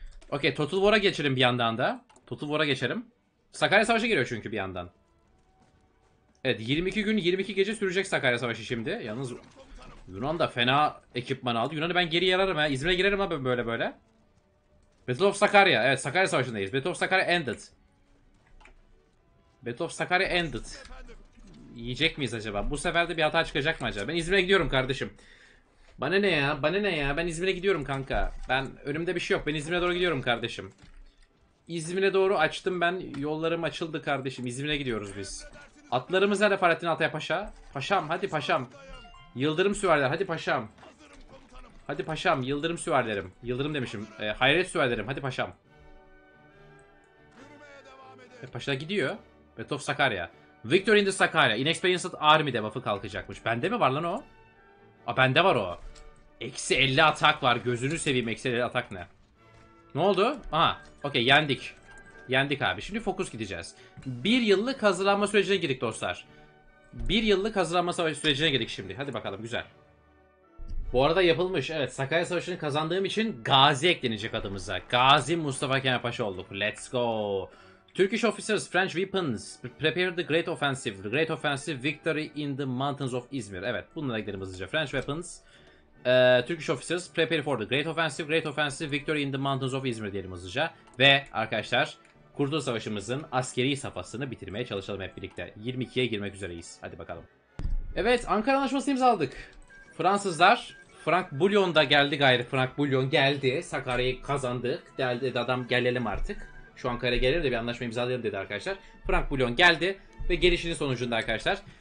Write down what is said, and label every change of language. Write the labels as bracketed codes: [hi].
[tr] Okey, Total War'a geçelim bir yandan da. Total War'a geçelim. Sakarya Savaşı geliyor çünkü bir yandan. Evet, 22 gün, 22 gece sürecek Sakarya Savaşı şimdi. Yalnız Yunan da fena ekipman aldı. Yunan'ı ben geri yararım ha. İzmir'e girerim ha böyle böyle. Battle of Sakarya. Evet, Sakarya Savaşı'ndayız. [en] Battle of Sakarya ended. Battle of Sakarya ended. [tr] Yiyecek miyiz acaba? Bu sefer de bir hata çıkacak mı acaba? Ben İzmir'e gidiyorum kardeşim. Bana ne ya? Bana ne ya? Ben İzmir'e gidiyorum kanka. Ben önümde bir şey yok. Ben İzmir'e doğru gidiyorum kardeşim. İzmir'e doğru açtım ben. Yollarım açıldı kardeşim. İzmir'e gidiyoruz biz. Atlarımız nerede Fahrettin Altay Paşa? Paşam hadi paşam. Yıldırım süvariler hadi paşam. Hadi paşam yıldırım süvarilerim. Yıldırım demişim. Hayret süvarilerim hadi paşam. Paşa gidiyor. [en] Battle of Sakarya. Victory in the Sakarya. [tr] Inexperienced Army debuff'ı kalkacakmış. Bende mi var lan o? Aa bende var o. Eksi 50 atak var. Gözünü seveyim eksi 50 atak ne? Ne oldu? Aha. Okey yendik. Yendik abi. Şimdi fokus gideceğiz. Bir yıllık hazırlanma sürecine girdik dostlar. Bir yıllık hazırlanma savaşı sürecine girdik şimdi. Hadi bakalım güzel. Bu arada yapılmış. Evet Sakarya Savaşı'nı kazandığım için Gazi eklenecek adımıza. Gazi Mustafa Kemal Paşa olduk. [en] Let's go. Turkish officers, French weapons, prepare the great offensive. The great offensive, victory in the mountains of İzmir. [tr] Evet, bunlara gidelim hızlıca. [en] French weapons, Turkish officers, prepare for the great offensive. Great offensive, victory in the mountains of İzmir diyelim hızlıca. [tr] Ve arkadaşlar, Kurtuluş Savaşımızın askeri safhasını bitirmeye çalışalım hep birlikte. 22'ye girmek üzereyiz. Hadi bakalım. Evet, Ankara Anlaşması imzaladık. Fransızlar, Frank Bouillon da geldi gayrı. Frank Bouillon geldi. Sakarya'yı kazandık. Geldi adam, gelelim artık. Şu Ankara'ya gelir de bir anlaşma imzalayalım dedi arkadaşlar. Frank Bouillon geldi ve gelişinin sonucunda arkadaşlar